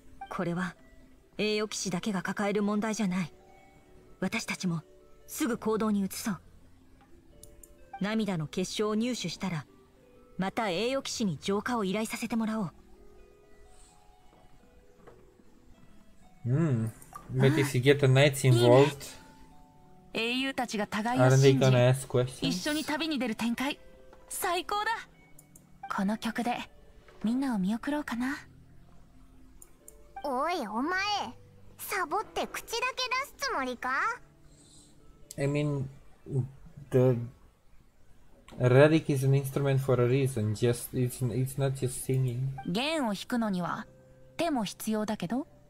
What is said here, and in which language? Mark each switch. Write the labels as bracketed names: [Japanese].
[Japanese] これは栄誉騎士だけが抱える問題じゃない。私たちもすぐ行動に移そう。涙の結晶を入手したら、また栄誉騎士に浄化を依頼させてもらおう。 [English] うん、maybe if you get the knights involved. [Japanese] 英雄たちが互いを信じ、一緒に旅に出る展開、最高だ。この曲でみんなを見送ろうかな。おいお前、サボって口だけ出すつもりか。 [English] I mean, the relic is an instrument for a reason. Just it's not just singing. [Japanese] 弦を弾くのには手も必要だけど。